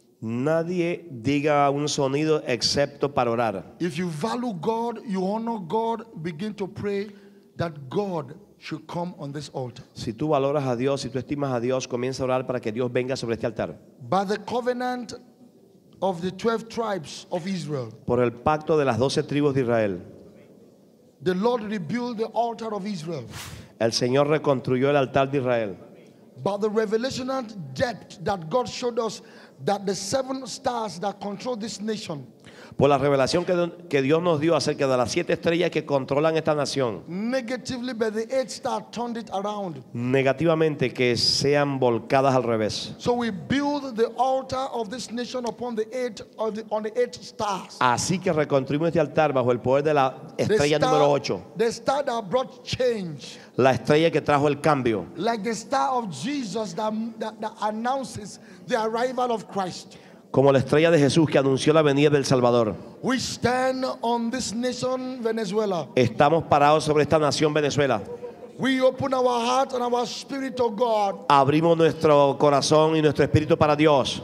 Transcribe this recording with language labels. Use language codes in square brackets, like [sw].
[es] Nadie diga un sonido excepto para orar. [en] If you value God, you honor God, begin to pray that God should come on this altar. [es] Si tú valoras a Dios, si tú estimas a Dios, comienza a orar para que Dios venga sobre este altar. [en] By the covenant of the 12 tribes of Israel. [es] Por el pacto de las 12 tribus de Israel. [en] The Lord rebuilt the altar of Israel. [es] El Señor reconstruyó el altar de Israel. [en] By the revelational depth that God showed us, that the seven stars that control this nation. [es] Por la revelación que Dios nos dio acerca de las siete estrellas que controlan esta nación. [en] Negatively, by the eighth star, turned it around. [es] Negativamente, que sean volcadas al revés. [en] So we build the altar of this nation upon the eight of the on the eight stars. [es] Así que reconstruimos este altar bajo el poder de la estrella número 8. [en] The star that brought change. [es] La estrella que trajo el cambio. [en] Like the star of Jesus that announces the arrival of Christ. [es] Como la estrella de Jesús que anunció la venida del Salvador. [en] We stand on this nation, Venezuela. [es] Estamos parados sobre esta nación Venezuela. [en] We open our heart and our spirit to God. [es] Abrimos nuestro corazón y nuestro espíritu para Dios.